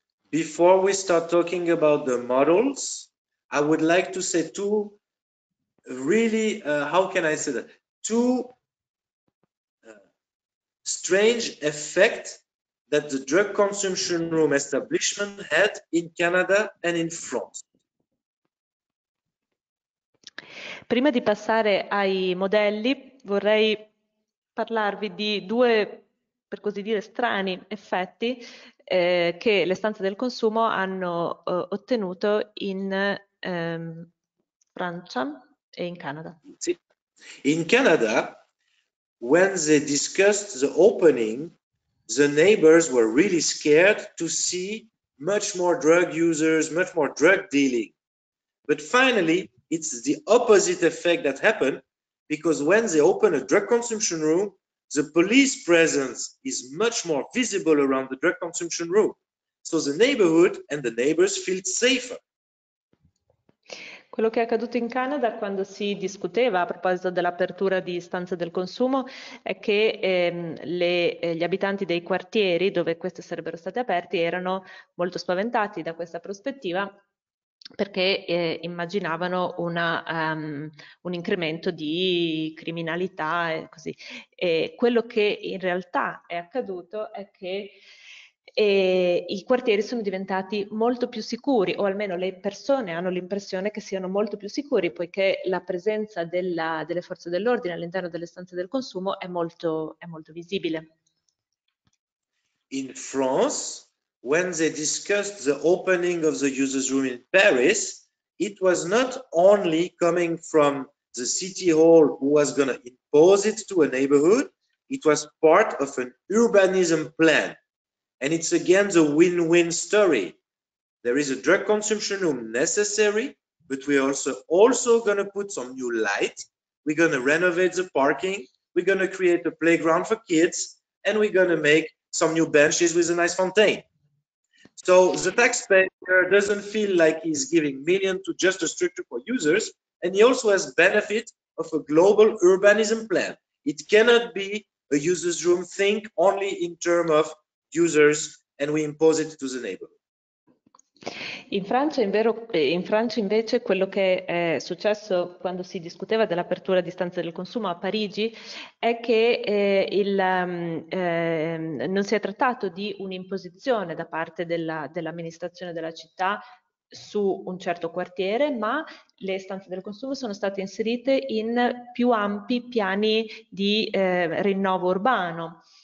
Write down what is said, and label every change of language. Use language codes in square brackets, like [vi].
[en] Before we start talking about the models, I would like to say two really, how can I say that? Two strange effects that the drug consumption room establishment had in Canada and in France. [it] Prima di passare ai modelli, vorrei parlarvi di due, per così dire, strani effetti che le stanze del consumo hanno ottenuto in Francia e in Canada. [en] In Canada, when they discussed the opening, the neighbors were really scared to see much more drug users, much more drug dealing. But finally, it's the opposite effect that happened because when they open a drug consumption room, the police presence is much more visible around the drug consumption room. So the neighborhood and the neighbors feel safer. [it] Quello che è accaduto in Canada quando si discuteva a proposito dell'apertura di stanze del consumo è che gli abitanti dei quartieri dove queste sarebbero state aperte erano molto spaventati da questa prospettiva perché immaginavano un incremento di criminalità e così. E quello che in realtà è accaduto è che e i quartieri sono diventati molto più sicuri, o almeno le persone hanno l'impressione che siano molto più sicuri, poiché la presenza delle forze dell'ordine all'interno delle stanze del consumo è molto visibile. [en] In France, when they discussed the opening of the users' room in Paris, it was not only coming from the city hall who was going to impose it to a neighborhood, it was part of an urbanism plan. And it's again the win-win story. There is a drug consumption room necessary, but we're also going to put some new light. We're going to renovate the parking. We're going to create a playground for kids, and we're going to make some new benches with a nice fountain. So the taxpayer doesn't feel like he's giving millions to just a structure for users, and he also has benefit of a global urbanism plan. It cannot be a users' room thing only in terms of users, and we impose it to the neighborhood. [it] In Francia invece quello che è successo quando si discuteva dell'apertura di stanze del consumo a Parigi è che non si è trattato di un'imposizione da parte dell'amministrazione della città su un certo quartiere, ma le stanze del consumo sono state inserite in più ampi piani di rinnovo urbano.